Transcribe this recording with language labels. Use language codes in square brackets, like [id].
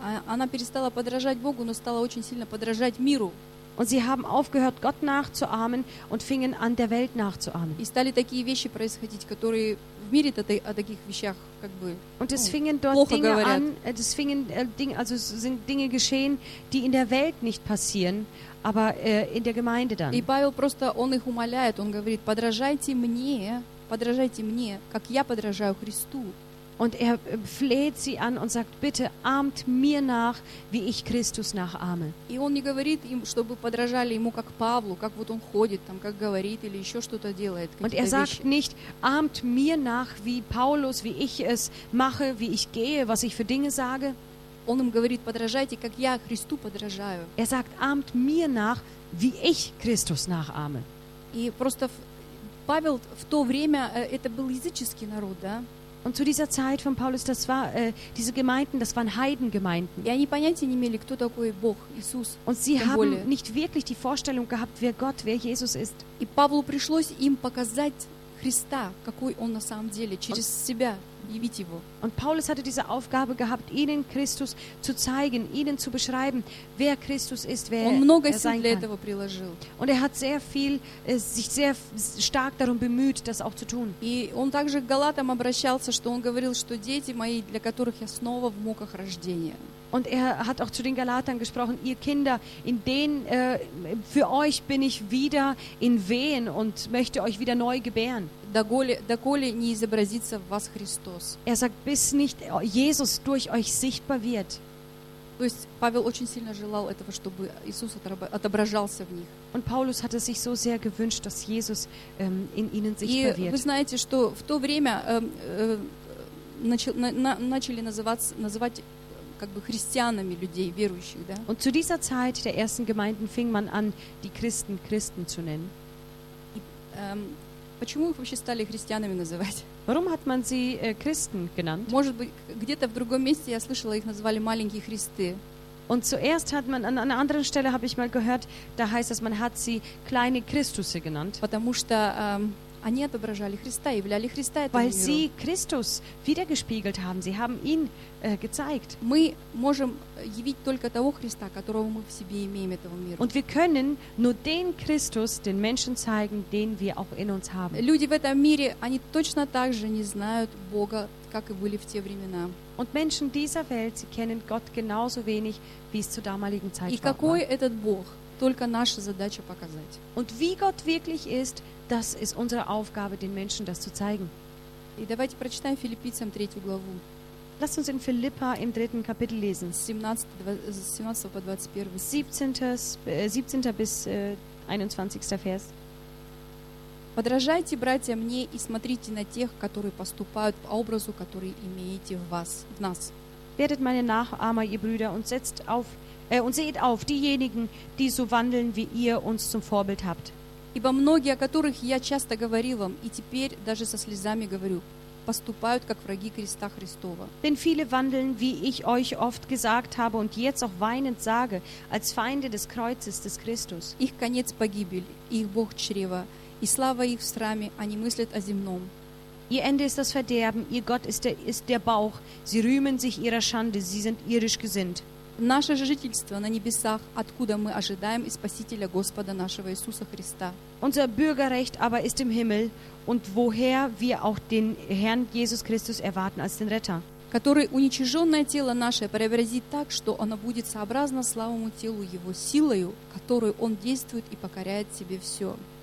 [ru] Она перестала подражать Богу, но стала очень сильно подражать миру. [de] Und sie haben aufgehört, Gott nachzuahmen und fingen an, der Welt nachzuahmen. [ru] И стали такие вещи происходить, которые в мире о таких вещах как бы. [de] Und es fingen dort Dinge an, also sind Dinge geschehen, die in der Welt nicht passieren, aber in der Gemeinde dann. [ru] И Павел просто он их умоляет, он говорит: подражайте мне, как я подражаю Христу. [de] Und er fleht sie an und sagt: Bitte ahmt mir nach, wie ich Christus nachahme. [ru] И он не говорит им, чтобы подражали ему как Павлу, как вот он ходит, там, как говорит или еще что-то делает. [de] Und er sagt nicht: Ahmt mir nach, wie Paulus, wie ich es mache, wie ich gehe, was ich für Dinge sage. [ru] Он им говорит: Подражайте, как я Христу подражаю. [de] Er sagt: Ahmt mir nach, wie ich Christus nachahme. [ru] И просто Павел в то время это был языческий народ, да? [de] Und zu dieser Zeit von Paulus, das war diese Gemeinden, das waren Heidengemeinden. [ru] Ja, они понятия не имели, кто такой Бог, Иисус. [de] Und sie haben nicht wirklich die Vorstellung gehabt, wer Gott, wer Jesus ist. [ru] И Павлу пришлось им показать Христа, какой он на самом деле, через себя явить его. [de] Und Paulus hatte diese Aufgabe gehabt, ihnen Christus zu zeigen, ihnen zu beschreiben, wer Christus ist, wer er sein kann. [ru] Он много сил для этого приложил. [de] Und er hat sehr viel, sich sehr stark darum bemüht, das auch zu tun. [ru] И он также к Галатам обращался, что он говорил, что дети мои, для которых я снова в муках рождения. [de] Und er hat auch zu den Galatern gesprochen: Ihr Kinder, in denen für euch bin ich wieder in Wehen und möchte euch wieder neu gebären. [ru] Доколе не изобразится в вас Христос. [de] Er sagt: Bis nicht Jesus durch euch sichtbar wird. [ru] То есть Павел очень сильно желал этого, чтобы Иисус отображался в них. [de] Und Paulus hatte sich so sehr gewünscht, dass Jesus in ihnen sichtbar wird. [ru] И вы знаете, что в то время начали называть как бы христианами людей, верующих, да? [de] Und zu dieser Zeit der ersten Gemeinden fing man an, die Christen Christen zu nennen. [ru] Почему их вообще стали христианами называть? [de] Warum hat man sie Christen genannt? [ru] Может быть, где-то в другом месте я слышала, их назвали маленькие Христы. [de] Und zuerst hat man an einer anderen Stelle habe ich mal gehört, da heißt es, man hat sie kleine Christusse genannt. [ru] Потому что они отображали Христа, являли Христа этому [de] Weil [ru] миру. [de] Sie Christus widergespiegelt haben, sie haben ihn gezeigt. [ru] Мы можем явить только того Христа, которого мы в себе имеем этого мира. [de] Und wir können nur den Christus den Menschen zeigen, den wir auch in uns haben. [ru] Люди в этом мире, они точно так же не знают Бога, как и были в те времена. [de] Und Menschen dieser Welt, sie kennen Gott genauso wenig, wie es zur damaligen Zeit [ru] и [de] war. [ru] И какой этот Бог? Только наша задача показать. [de] Und wie Gott wirklich ist, das ist unsere Aufgabe, den Menschen das zu zeigen. [ru] И давайте прочитаем Филиппийцам 3 главу. [de] Lasst uns in Philippa im 3. Kapitel lesen. 17 bis 21. Vers. [ru] Подражайте, братья, мне и смотрите на тех, которые поступают по образу, который имеете в вас, в нас. [de] Werdet meine Nachahmer, ihr Brüder, und setzt auf und seht auf diejenigen, die so wandeln, wie ihr uns zum Vorbild habt. [ru] Ибо многие, о которых я часто говорил вам, и теперь даже со слезами говорю, поступают как враги креста Христова. [de] Denn viele wandeln, wie ich euch oft gesagt habe und jetzt auch weinend sage, als Feinde des Kreuzes des Christus. [ru] Их конец погибель, их Бог чрево, и слава их в сраме, они мыслят о земном. [de] Ihr Ende ist das Verderben, ihr Gott ist der Bauch, sie rühmen sich ihrer Schande, sie sind irdisch gesinnt. [ru] Наше жительство на небесах, откуда мы ожидаем и Спасителя Господа нашего Иисуса Христа. [de] Unser Bürgerrecht aber ist im Himmel und woher wir auch den Herrn Jesus Christus erwarten als den Retter. [ru] Который уничиженное тело наше преобразит так, что оно будет сообразно славному телу Его силою, которую Он действует и покоряет себе все.